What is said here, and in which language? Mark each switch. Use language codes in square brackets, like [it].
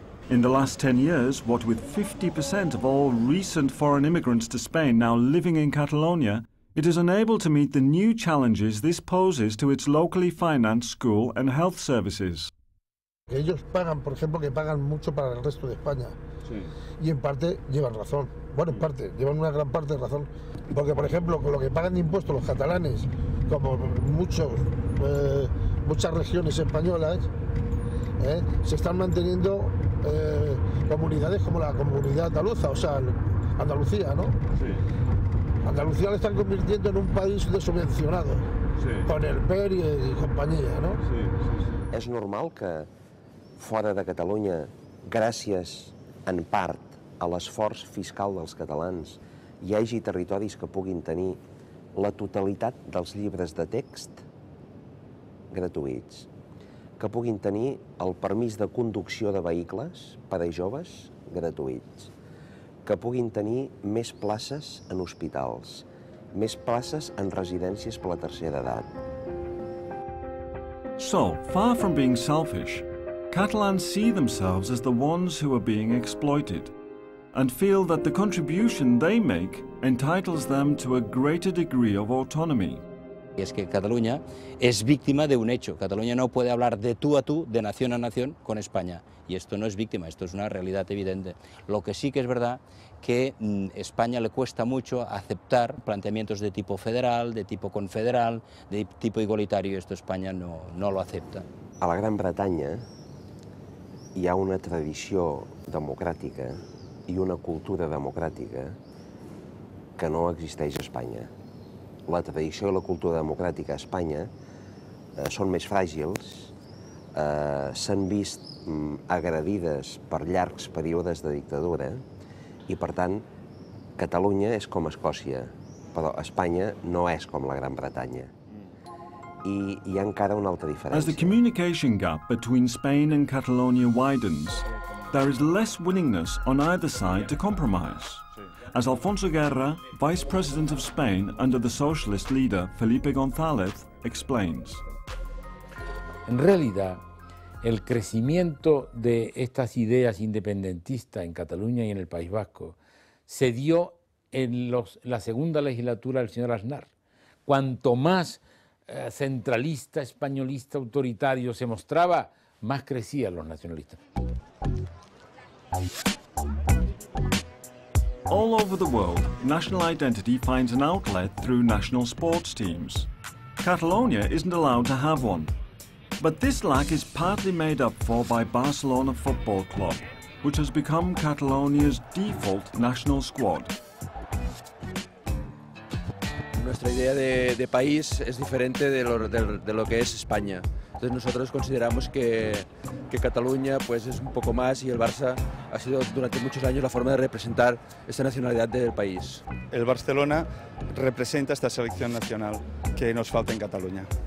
[en] In the last 10 years, what with 50% of all recent foreign immigrants to Spain now living in Catalonia, it is unable to meet the new challenges this poses to its locally financed school and health services. [es] Ellos pagan, por ejemplo, que pagan mucho para el resto de España. Sí. Y en parte llevan razón. Bueno, en parte, llevan una gran parte de razón. Porque, por ejemplo, con lo que pagan de impuestos los catalanes, como muchos, muchas regiones españolas, se están manteniendo comunidades como la comunidad andaluza, o sea, Andalucía, ¿no? Sí. Andalucía la están convirtiendo en un país desubvencionado, sí, con el PER y compañía, ¿no? Sí, sí, sí. [ca] ¿Es normal que fuera de Catalunya, gràcies en part a l'esforç fiscal dels catalans, hi hagi territoris que puguin tenir la totalitat dels llibres de text gratuïts, que puguin tenir el permís de conducció de vehicles per a joves gratuïts, que puguin tenir més places en hospitals, més places en residències per a la tercera edat? [en] So, far from being selfish, Catalans see themselves as the ones who are being exploited and feel that the contribution they make entitles them to a greater degree of autonomy. [es] Es que Cataluña es víctima de un hecho. Cataluña no puede hablar de tú a tú, de nación a nación, con España. Y esto no es víctima, esto es una realidad evidente. Lo que sí que es verdad, que España le cuesta mucho aceptar planteamientos de tipo federal, de tipo confederal, de tipo igualitario. Esto España no lo acepta. [ca] A la Gran Bretaña hi ha una tradició democràtica i una cultura democràtica que no existeix a Espanya. La tradició i la cultura democràtica a Espanya són més fràgils, s'han vist agredides per llargs períodes de dictadura i, per tant, Catalunya és com Escòcia, però Espanya no és com la Gran Bretanya. I hi ha encara una altra diferència. [en] As the communication gap between Spain and Catalonia widens, there is less willingness on either side to compromise. As Alfonso Guerra, vice president of Spain under the socialist leader Felipe González, explains. [es] En realidad, el crecimiento de estas ideas independentistas en Cataluña y en el País Vasco se dio en la segunda legislatura del señor Aznar. Cuanto más centralista, españolista, autoritario se mostraba, más crecían los nacionalistas. [en] All over the world, national identity finds an outlet through national sports teams. Catalonia isn't allowed to have one. But this lack is partly made up for by Barcelona Football Club, which has become Catalonia's default national squad. [es] Nuestra idea de país es diferente de lo que es España. Entonces nosotros consideramos que Cataluña pues es un poco más y el Barça ha sido durante muchos años la forma de representar esta nacionalidad del país. El Barcelona representa esta selección nacional que nos falta en Cataluña.